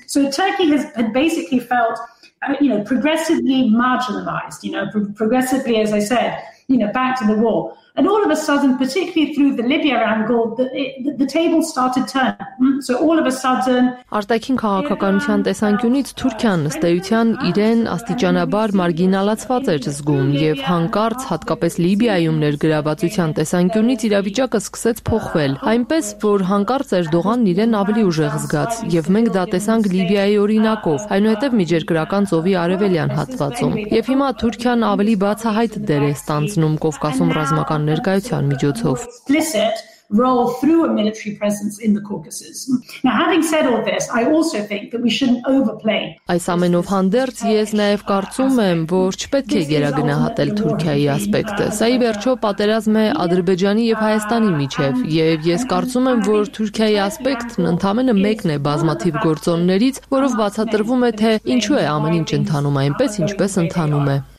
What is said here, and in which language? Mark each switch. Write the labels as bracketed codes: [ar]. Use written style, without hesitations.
[en] Turkey has basically felt, you know, progressively marginalized, you know, progressively, as I said, you know, back to the wall. And all of a sudden, particularly through the Libya angle, the table started turning. So all of a sudden, [hy] Արտաքին քաղաքականության տեսանկյունից Թուրքիան ըստեյության իրեն աստիճանաբար մարգինալացված էր զգում, եւ հանկարծ հատկապես Լիբիայում ներգրավվածության տեսանկյունից իրավիճակը սկսեց փոխվել, այնպես որ հանկարծ Էրդողանն իրեն ավելի ուժեղ զգաց, եւ մենք դա տեսանք Լիբիայի օրինակով, այնուհետեւ միջերկրական ծովի արևելյան հատվածում, եւ հիմա Թուրքիան ավելի բացահայտ դեր է ստանձնում Կովկասում ռազմական ներկայության միջոցով։ [en] Role through a military presence in the Caucasus. Now, having said all this, I also think that we shouldn't overplay. [hy] Այս ամենով հանդերձ ես նաև կարծում եմ, որ չպետք է գերագնահատել Թուրքիայի ասպեկտը։ Սա ի վերջո պատերազմ է Ադրբեջանի եւ Հայաստանի միջև, եւ ես կարծում եմ, որ Թուրքիայի ասպեկտն ընդամենը մեկն է բազմաթիվ գործոններից, որով բացատրվում է, թե ինչու է ամեն ինչ ընթանում այնպես, ինչպես ընթանում է։